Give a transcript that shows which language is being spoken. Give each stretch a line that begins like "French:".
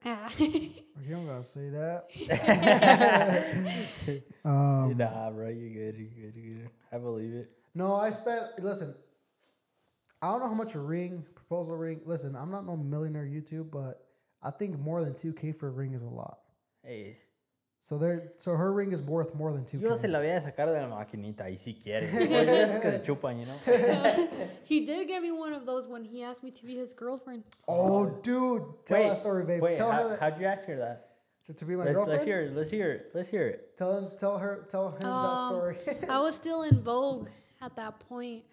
English: Okay, I'm gonna say that. Nah, bro, you're good. I believe it. No, I spent. Listen, I don't know how much a ring, proposal ring. Listen, I'm not no millionaire YouTube, but I think more than $2,000 for a ring is a lot. Hey. So her ring is worth more than $2,000.
Spanish: Yo se la voy a sacar de la maquinita y si quiere. Es que se chupan,
English: you know? He did give me one of those when he asked me to be his girlfriend. Oh, dude. Tell that story, babe. Wait, tell her that. How'd you ask her that? To be my girlfriend? Let's hear it. Tell him that story. I was still in Vogue at that point.